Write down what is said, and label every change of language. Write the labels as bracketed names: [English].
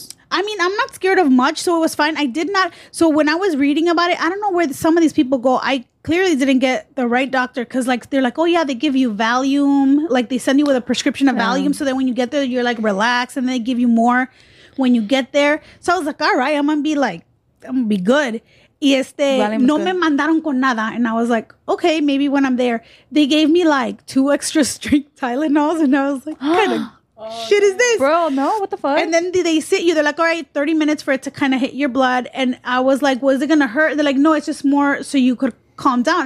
[English] I mean, I'm not scared of much, so it was fine. So when I was reading about it, I don't know where some of these people go. I clearly didn't get the right doctor because like, they're like, oh yeah, they give you Valium. Like they send you with a prescription of Valium. So then when you get there, you're like relaxed and they give you more when you get there. So I was like, all right, I'm going to be good. [Spanish] Y no me mandaron con nada. [English] And I was like, okay, maybe when I'm there. They gave me like two extra strength Tylenols and I was like, kind of. Shit is this? Bro, no, what the fuck? And then they sit you. They're like, all right, 30 minutes for it to kind of hit your blood. And I was like, was it going to hurt? They're like, no, it's just more so you could calm down.